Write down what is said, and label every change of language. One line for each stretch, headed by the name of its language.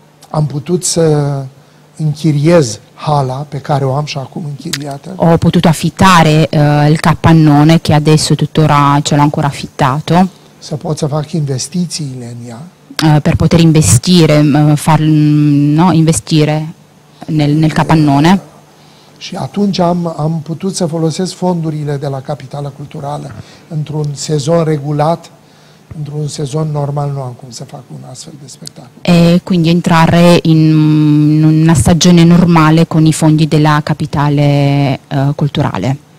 Romanian: Am putut să închiriez hala pe care o am și acum închiriată.
Italian: Ho potuto affittare il capannone che adesso tuttora ce l'ho ancora affittato.
Romanian: Să pot să fac investițiile în ea.
Italian: Per poter investire, far, no, investire nel capannone.
Romanian: Și atunci am putut să folosesc fondurile de la Capitala Culturală într-un sezon regulat, într-un sezon normal nu am cum să fac un astfel de spectacol.
Italian: E quindi entrare in una stagione normale con i fondi della Capitale Culturale.